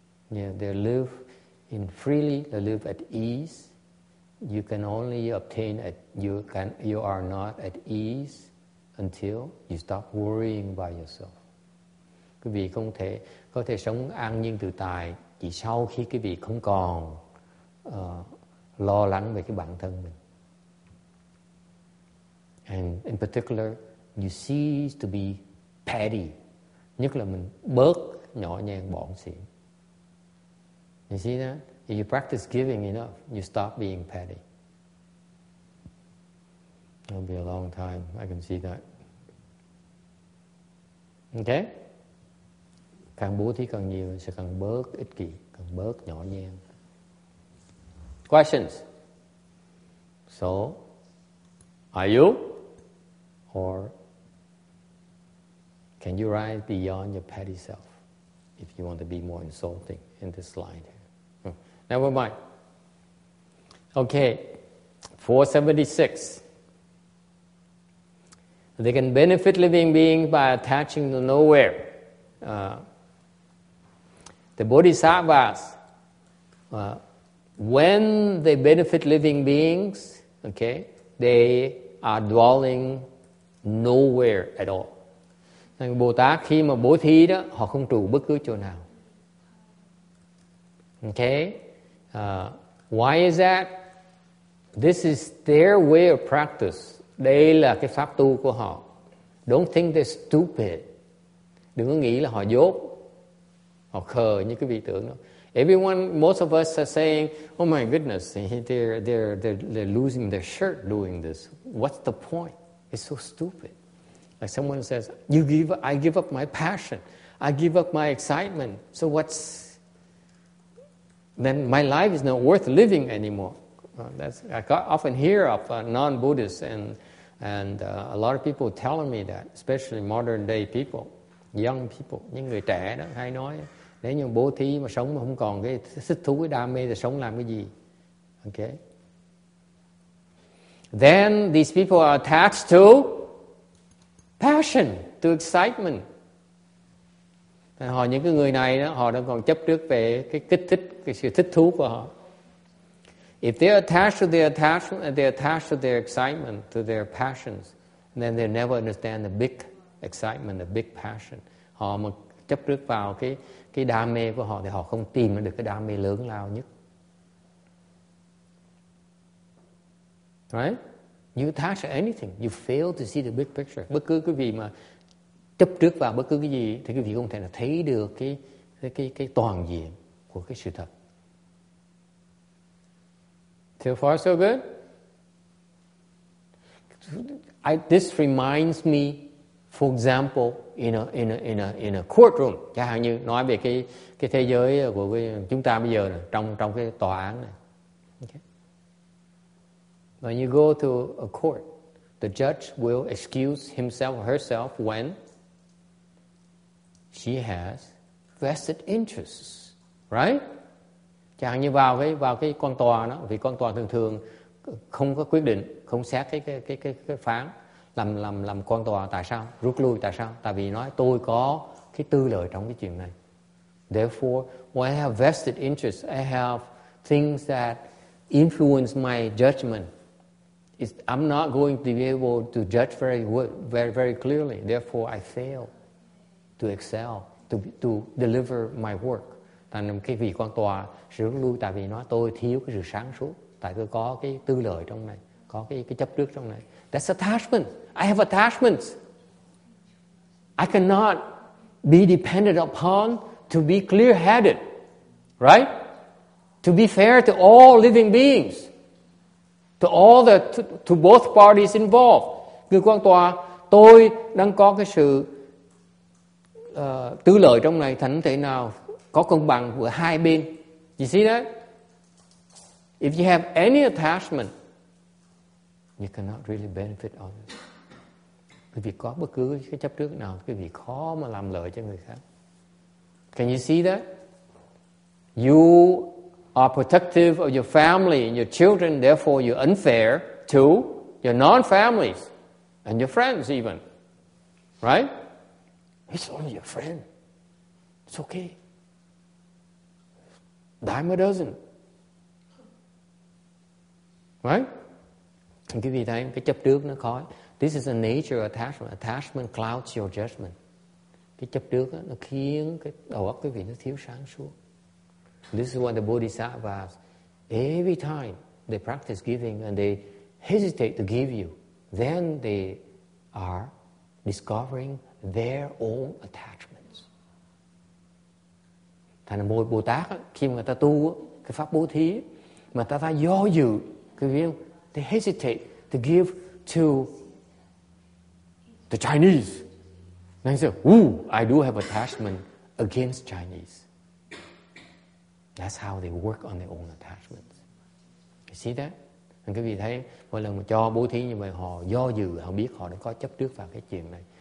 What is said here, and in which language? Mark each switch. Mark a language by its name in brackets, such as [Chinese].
[English] Yeah, they live in freely, they live at ease. You can only obtain at you are not at ease until you stop worrying by yourself. [Vietnamese] Quý vị có thể sống an nhiên tự tại chỉ sau khi quý vị không còn lo lắng về cái bản thân mình. [English] And in particular, you cease to be petty. [Vietnamese] Nhất là mình bớt nhỏ nhen bỏng xỉn. [English] You see that? If you practice giving enough, you stop being petty. It'll be a long time. I can see that. Okay? [Vietnamese] Càng bố thí càng nhiều sẽ càng bớt ích kỷ, càng bớt nhỏ nhen. [English] Questions? So, are you? Or can you rise beyond your petty self? If you want to be more insulting in this slide. Never mind. Okay, 476. They can benefit living beings by attaching to nowhere. The bodhisattvas, when they benefit living beings, okay, they are dwelling nowhere at all. [Vietnamese] Bồ Tát khi mà bố thí đó, họ không trụ bất cứ chỗ nào. [English] Okay? Why is that? This is their way of practice. [Vietnamese] Đây là cái pháp tu của họ. [English] Don't think they're stupid. [Vietnamese] Đừng có nghĩ là họ dốt. Họ khờ như cái vị tưởng đó. [English] Everyone, most of us are saying, oh my goodness, they're losing their shirt doing this. What's the point? It's so stupid. Like someone says, I give up my passion. I give up my excitement. So what's... Then my life is not worth living anymore. I often hear of non-Buddhists and a lot of people telling me that, especially modern-day people, young people. [Vietnamese] Những người trẻ đó hay nói, nếu như bố thí mà sống mà không còn cái thích thú, cái đam mê thì sống làm cái gì? [English] Okay. Then these people are attached to passion, to excitement. [Vietnamese] Họ những cái người này đó, họ đang còn chấp trước về cái kích thích, cái sự thích thú của họ. [English] If they're attached to their attachment, and they're attached to their excitement, to their passions, then they never understand the big excitement, the big passion. [Vietnamese] Họ mà chấp trước vào cái đam mê của họ thì họ không tìm được cái đam mê lớn lao nhất. [English] Right? You attach to anything, you fail to see the big picture. [Vietnamese] Bất cứ cái gì mà chấp trước vào bất cứ cái gì thì cái gì không thể là thấy được cái toàn diện của cái sự thật. [English] So far so good. This reminds me, for example, in a courtroom. [Vietnamese] Chẳng hạn như nói về cái thế giới của chúng ta bây giờ này, trong cái tòa án này. [English] When you go to a court, the judge will excuse himself or herself when she has vested interests, right? [Vietnamese] Chẳng như vào cái con tòa đó, vì con tòa thường thường không có quyết định, không xét cái phán làm con tòa, tại sao rút lui, tại sao? Tại vì nói tôi có cái tư lợi trong cái chuyện này. [English] Therefore, when I have vested interests, I have things that influence my judgment. I'm not going to be able to judge very very very clearly. Therefore, I fail to excel to deliver my work. [Vietnamese] Thành cái vị quan tòa sẽ rút lui, tại vì nói tôi thiếu cái sự sáng suốt, tại tôi có cái tư lợi trong này, có cái chấp trước trong này. [English] That's attachment. I have attachments. I cannot be dependent upon to be clear-headed, right? To be fair to all living beings, to both parties involved. [Vietnamese] Người quan tòa, tôi đang có cái sự tư lợi trong này, thành thế nào có công bằng của hai bên. [English] You see that? If you have any attachment, you cannot really benefit others. [Vietnamese] Quý vị có bất cứ cái chấp trước nào, quý vị khó mà làm lợi cho người khác. [English] Can you see that? You are protective of your family and your children, therefore you're unfair to your non-families and your friends even. Right? It's only your friend. It's okay. Dime a dozen. Right? [Vietnamese] Quý vị thấy cái chấp trước nó khó. [English] This is the nature of attachment. Attachment clouds your judgment. [Vietnamese] Cái chấp trước đó, nó khiến cái đầu óc quý vị nó thiếu sáng suốt. [English] This is what the bodhisattvas, every time they practice giving and they hesitate to give you, then they are discovering their own attachments. [Vietnamese] Thành một Bồ Tát đó, khi mà người ta tu đó, cái pháp bố thí mà ta do dự, quý vị không? [English] They hesitate to give to the Chinese. Then he said, ooh, I do have attachment against Chinese. That's how they work on their own attachments. You see that? [Vietnamese] Thành quý vị thấy, mỗi lần mà cho bố thí như vậy, họ do dự, họ biết họ đã có chấp trước vào cái chuyện này.